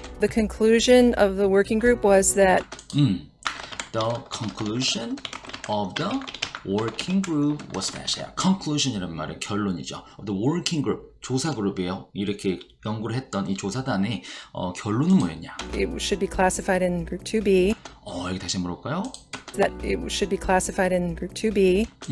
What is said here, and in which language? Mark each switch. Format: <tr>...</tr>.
<en>The conclusion of the working group was that The conclusion of the working group was that conclusion이라는</en> <ko>말은 결론이죠.</ko> <en>The working group,</en> <ko>조사 그룹이에요. 이렇게 연구를 했던 이 조사단의 결론은 뭐였냐?</ko> <en>It should be classified in group 2B.</en> <ko>여기 다시 한번 볼까요?</ko> <en>That it should be classified in group 2B.</en>